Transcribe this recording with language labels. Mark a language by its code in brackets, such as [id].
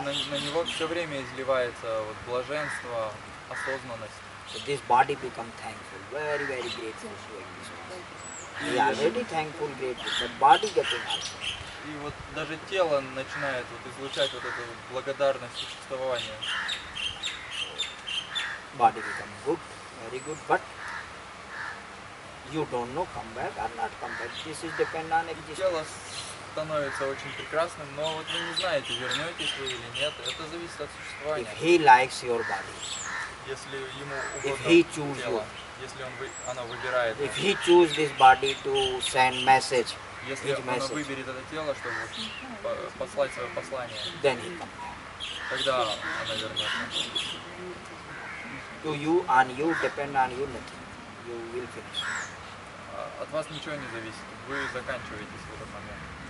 [ru] На него все время изливается вот блаженство, осознанность. [en] So this body become thankful, very very grateful to existence. We are very thankful, grateful, but body getting also. [ru] И вот даже тело начинает вот излучать вот эту вот благодарность существования. [en] Body become good, very good, but you don't know come back or not come back. This is depend on existence. [ru] Становится очень прекрасным, но вот вы не знаете, вернетесь вы или нет, это зависит от существования. [en] If he likes your body, [ru] если ему угодно тело, если он оно выбирает. [en] If he choose this body to send message, [ru] если оно выберет это тело, чтобы послать свое послание, [en] then he comes. [ru] Тогда оно вернется. [en] To you, on you, depend on you, nothing. You will finish. [ru] От вас ничего не зависит, вы заканчиваетесь в этот момент.